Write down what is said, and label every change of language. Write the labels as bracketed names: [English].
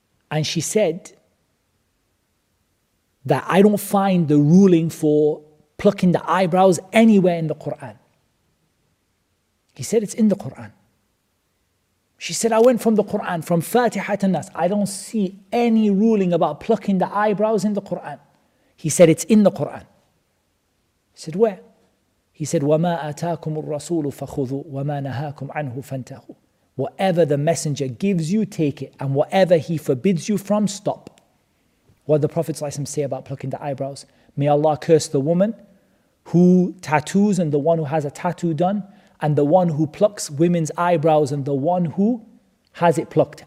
[English] And she said that, "I don't find the ruling for plucking the eyebrows anywhere in the Quran." He said, "It's in the Quran." She said, "I went from the Quran, from Fatiha to Nas. I don't see any ruling about plucking the eyebrows in the Quran." He said, "It's in the Quran." He said, "Where?" He said, [Arabic] "وَمَا آتَاكُمُ الرَّسُولُ فَخُذُوا وَمَا نَهَاكُمْ عَنْهُ فَانْتَهُوا." [English] Whatever the messenger gives you, take it. And whatever he forbids you from, stop. What did the Prophet ﷺ say about plucking the eyebrows? May Allah curse the woman who tattoos and the one who has a tattoo done, and the one who plucks women's eyebrows and the one who has it plucked.